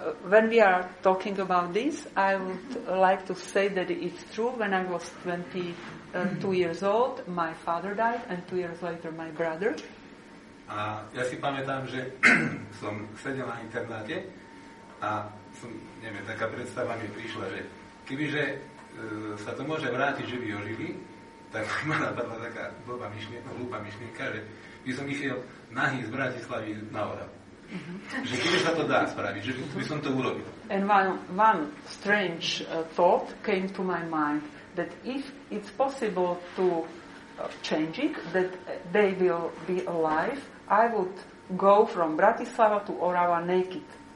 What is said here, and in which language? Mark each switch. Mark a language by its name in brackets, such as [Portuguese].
[English] When we are talking about this, I would like to say that it's true. When I was 22 years old, my father died and 2 years later my brother. [Slovak] A ja si pamätám, že som sedel na internáte a som, neviem, taká predstava mi prišla, že kebyže sa to môže vrátiť, že by ožili, tak ma napadla taká blbá myšlienka, hlúpa myšlienka, že by som išiel nahý z Bratislavy na Oravu. Že kebyže sa to dá spraviť, že by som to urobil. [English] And one strange thought came to my mind, that if it's possible to change it, that they will be alive, I would go from Bratislava to Orava naked.